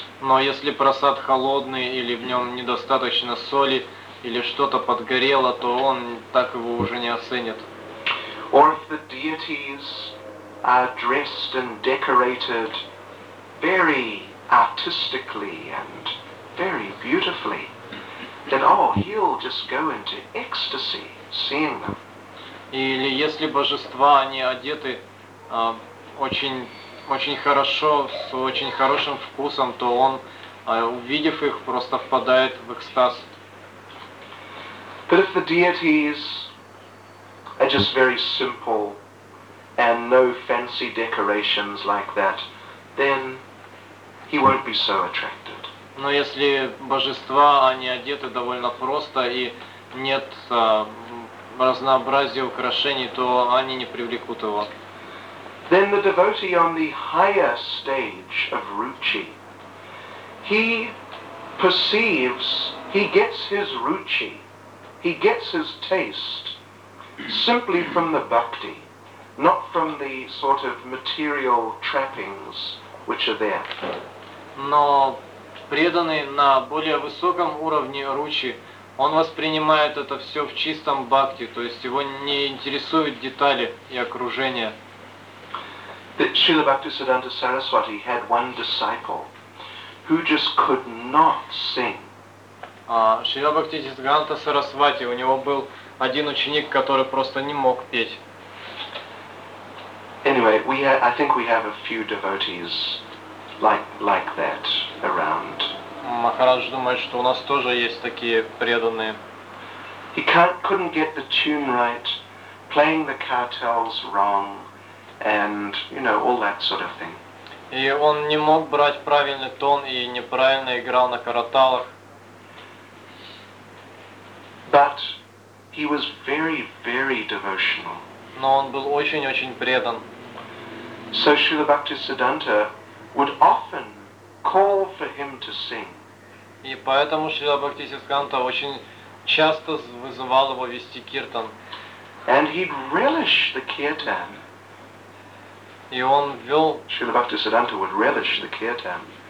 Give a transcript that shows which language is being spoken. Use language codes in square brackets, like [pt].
[ru] Но если прасад холодный или в нем недостаточно соли или что-то подгорело, то он так его уже не оценит. [en] Or if the deities are dressed and decorated very artistically and very beautifully, then oh, he'll just go into ecstasy seeing them. [ru] Или если божества, они одеты очень хорошо, с очень хорошим вкусом, то он, увидев их, просто впадает в экстаз. [en] But if the deities are just very simple and no fancy decorations like that, then he won't be so attracted. [ru] Но если божества, они одеты довольно просто и нет разнообразия украшений, то они не привлекут его. [en] Then the devotee on the higher stage of ruchi, he perceives, he gets his ruchi, he gets his taste simply from the bhakti, not from the sort of material trappings which are there. [ru] Но преданный на более высоком уровне ручи, он воспринимает это все в чистом бхакти, то есть его не интересуют детали и окружение. [en] Śrīla Bhaktisiddhanta Saraswati had one disciple who just could not sing. [ru] Śrīla Bhaktisiddhanta Saraswati, у него был один ученик, который просто не мог петь. [en] Anyway, I think we have a few devotees like that around. [ru] Махарадж думает, что у нас тоже есть такие преданные. [en] He couldn't get the tune right, playing the cartels wrong, and you know all that sort of thing. [ru] И он не мог брать правильный тон и неправильно играл на караталах. [en] But he was very, very devotional. [ru] Но он был очень-очень предан. [en] So Śrīla Bhaktisiddhanta would often call for him to sing. [ru] И поэтому Śrīla Bhaktisiddhanta очень часто вызывал его вести киртан. [en] And he'd relish the kirtan. [ru] И он вел... [en] Śrīla Bhaktisiddhanta would relish the kirtan.